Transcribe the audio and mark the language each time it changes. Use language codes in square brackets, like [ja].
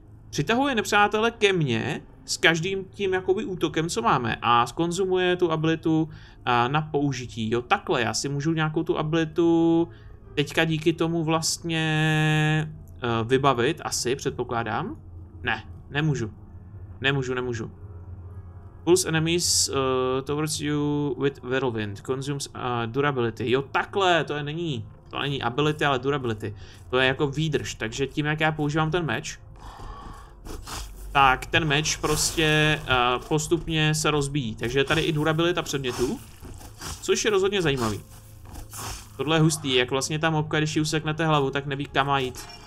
[cs] Přitahuje nepřátele ke mně s každým tím jakoby útokem, co máme, a skonzumuje tu abilitu na použití. Jo, takhle, já si můžu nějakou tu abilitu teďka díky tomu vlastně vybavit, asi, předpokládám. Ne, nemůžu. Nemůžu. [en] Pulse enemies towards you with whirlwind, consumes durability. [cs] Jo, takhle, to není ability, ale durability. To je jako výdrž, takže tím, jak já používám ten meč, tak ten meč prostě postupně se rozbíjí. Takže je tady i durabilita předmětů, což je rozhodně zajímavý. Tohle je hustý, jak vlastně ta mobka, když ji useknete hlavu, tak neví, kam má jít.